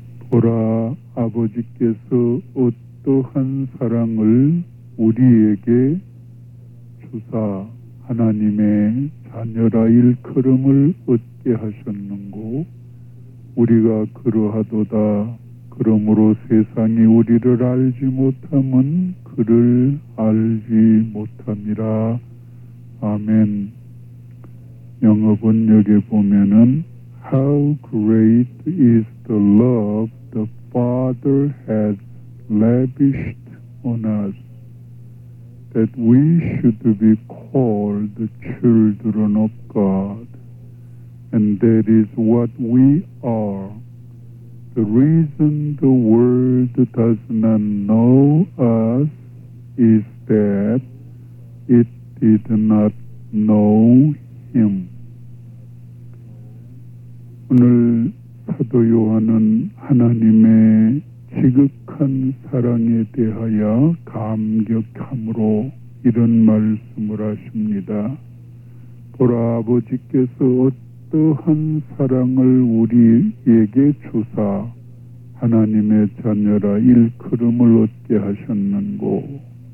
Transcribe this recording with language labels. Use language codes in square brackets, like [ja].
[ko] 보라, 아버지께서 어떠한 사랑을 우리에게 주사 하나님의 자녀라 일컬음을 얻게 하셨는고 우리가 그러하도다. 그러므로 세상이 우리를 알지 못함은 그를 알지 못함이라. 아멘. [en] 영어 번역에 보면은 How great is the love the Father has lavished on us that we should be called the children of God. And that is what we are. The reason the world does not know us is that it did not know Him. [ko] 오늘 사도 요한은 하나님의 지극한 사랑에 대하여 감격함으로 이런 말씀을 하십니다. 보라, 아버지께서 어떠한 사랑을 우리에게 주사 하나님의 자녀라 일컬음을 얻게 하셨는고.